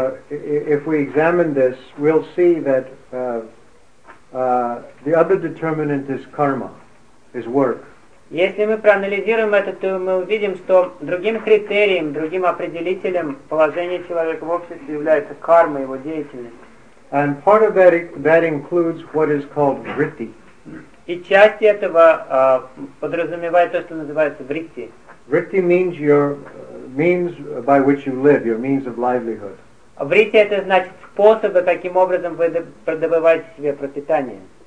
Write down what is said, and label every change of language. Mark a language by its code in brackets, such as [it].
[en] If we examine this, we'll see that the other determinant is karma, is work. [ru] Если мы проанализируем это, то мы увидим, что другим критерием, другим определителем положения человека в обществе является карма, его деятельность. [en] And part of that, that includes what is called vritti. [ru] И часть этого подразумевает то, что называется vritti. [en] Vritti means your means by which you live, your means of livelihood. [ru] Vritti это значит способы, каким образом вы добываете себе пропитание.